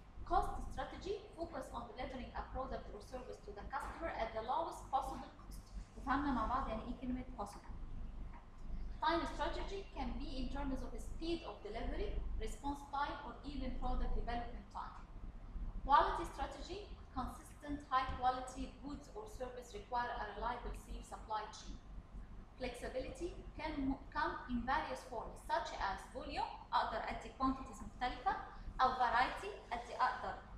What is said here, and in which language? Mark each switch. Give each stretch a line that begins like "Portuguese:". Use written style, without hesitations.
English: Cost strategy focus on delivering a product or service to the customer at the lowest possible cost.
Arabic: وفهمنا مع بعض يعني ايه كلمة possible.
English: Time strategy can be in terms of speed of delivery, response time, or even product development time. Quality strategy, consistent high quality goods or service require a reliable safe supply chain. Flexibility can come in various forms such as volume, other quantities
Arabic: مختلفة,
English: a variety,
Arabic: أدي أقدر